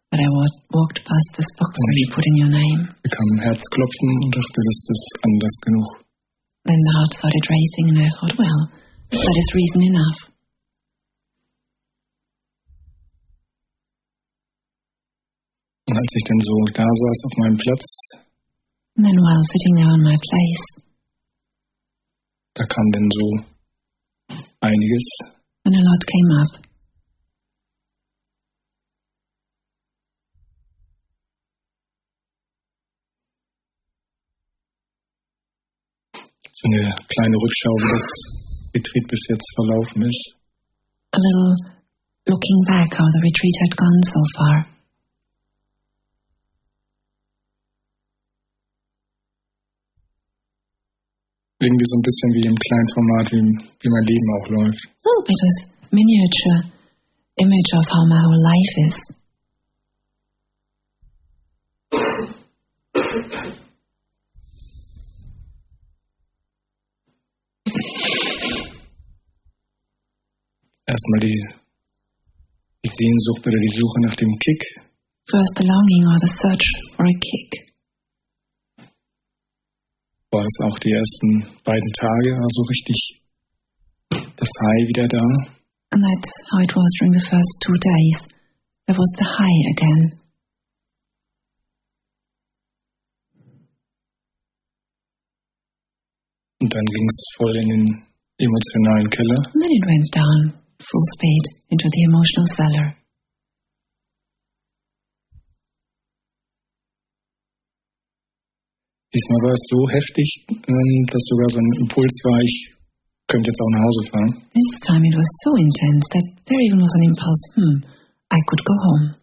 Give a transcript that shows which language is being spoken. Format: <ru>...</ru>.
<en>But I walked past this box where you put in your name.</en> <de>Ich bekam ein Herzklopfen und dachte, das ist anders genug.</de> <en>Then the heart started racing and I thought, well, that is reason enough.</en> <de>Und als ich dann so da saß auf meinem Platz.</de> <en>And then while sitting there on my place.</en> <de>Da kam denn so einiges.</de> <en>And a lot came up.</en> <de>So eine kleine Rückschau, wie das Retreat bis jetzt verlaufen ist.</de> <en>A little looking back how the retreat had gone so far.</en> <de>Irgendwie so ein bisschen wie im kleinen Format, wie mein Leben auch läuft.</de> <en>A little bit of miniature image of how my whole life is.</en> <de>Erstmal die Sehnsucht oder die Suche nach dem Kick.</de> <en>First the longing or the search for a kick.</en> <de>War es auch die ersten beiden Tage, also richtig das High wieder da?</de> <en>And that's how it was during the first two days. There was the high again.</en> <de>Und dann ging es voll in den emotionalen Keller.</de> <en>And then it went down full speed into the emotional cellar.</en> <de>Diesmal war es so heftig, dass sogar so ein Impuls war, ich könnte jetzt auch nach Hause fahren.</de> <en>This time it was so intense that there even was an impulse, I could go home.</en>